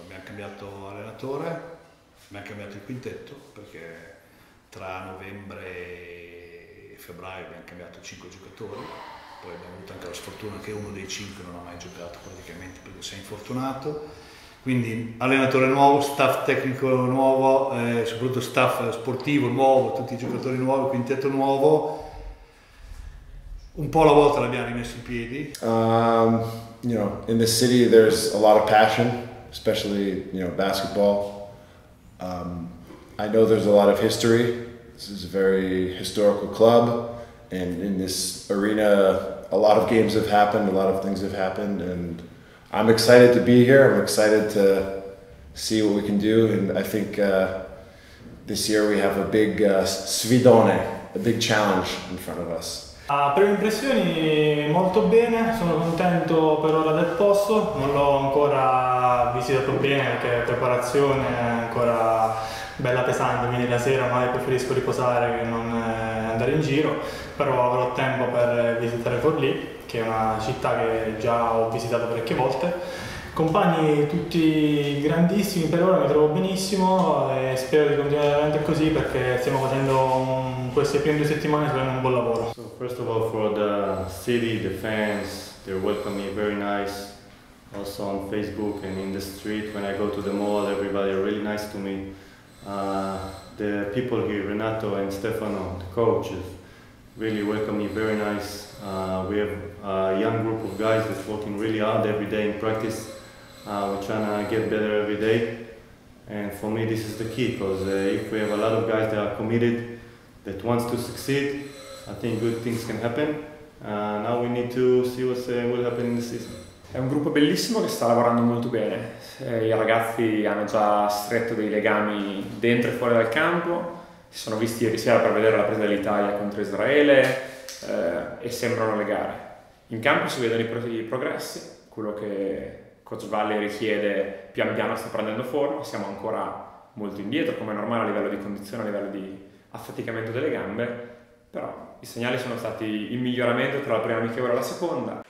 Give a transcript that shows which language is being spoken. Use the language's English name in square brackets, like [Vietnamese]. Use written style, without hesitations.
[Italian] Abbiamo cambiato allenatore, abbiamo cambiato il quintetto, perché tra novembre e febbraio abbiamo cambiato 5 giocatori, poi abbiamo avuto anche la sfortuna che uno dei 5 non ha mai giocato praticamente perché si è infortunato. Quindi allenatore nuovo, staff tecnico nuovo, soprattutto staff sportivo nuovo, tutti i giocatori nuovi, quintetto nuovo. Un po' alla volta l'abbiamo rimesso in piedi. [English] You know, in this city there's a lot of passion, especially, you know, basketball. I know there's a lot of history. This is a very historical club, and in this arena a lot of games have happened, a lot of things have happened, and I'm excited to be here. I'm excited to see what we can do, and I think this year we have a big sfidone, a big challenge in front of us. [Italian] A prime impressioni molto bene, sono contento per ora del posto, non l'ho ancora visitato bene perché la preparazione è ancora bella pesante, quindi la sera magari preferisco riposare che non andare in giro, però avrò tempo per visitare Forlì, che è una città che già ho visitato parecchie volte. Compagni tutti grandissimi, per ora mi trovo benissimo e spero di continuare avanti così, perché stiamo facendo queste prime due settimane facendo un buon lavoro. [English] So first of all, for the city, the fans, they welcome me very nice. Also on Facebook and in the street when I go to the mall, everybody are really nice to me. The people here, Renato and Stefano, the coaches, really welcome me very nice. We have a young group of guys that's working really hard every day in practice. We're trying to get better every day, and for me this is the key, because if we have a lot of guys that are committed, that wants to succeed, I think good things can happen. Now we need to see what will happen in the season. [Italian] È un gruppo bellissimo che sta lavorando molto bene. I ragazzi hanno già stretto dei legami dentro e fuori dal campo, si sono visti ieri sera per vedere la presa dell'Italia contro Israele e sembrano legare. In campo si vedono i progressi, quello che Coach Valle richiede pian piano sta prendendo forma, siamo ancora molto indietro, come è normale a livello di condizione, a livello di affaticamento delle gambe, però i segnali sono stati in miglioramento tra la prima amichevole e la seconda.